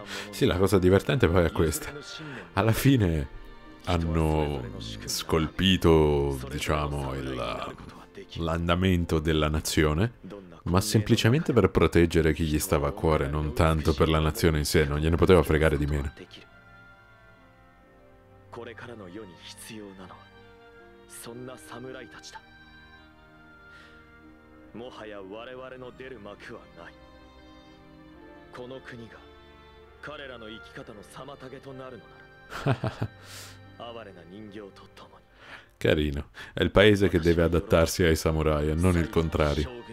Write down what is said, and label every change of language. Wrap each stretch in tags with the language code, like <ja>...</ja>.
<it>Sì, la cosa divertente poi è questa. Alla fine hanno scolpito, diciamo, l'andamento della nazione, ma semplicemente per proteggere chi gli stava a cuore, non tanto per la nazione in sé, non gliene poteva fregare di meno.</it> <ja>これからの世に必要なのはそんな侍たちだ。もはや我々の出る幕はない。この国が彼らの生き方の妨げとなるのなら哀れな人形と共に。</ja> <it>Carino, è il paese che deve adattarsi ai samurai, non il contrario.</it>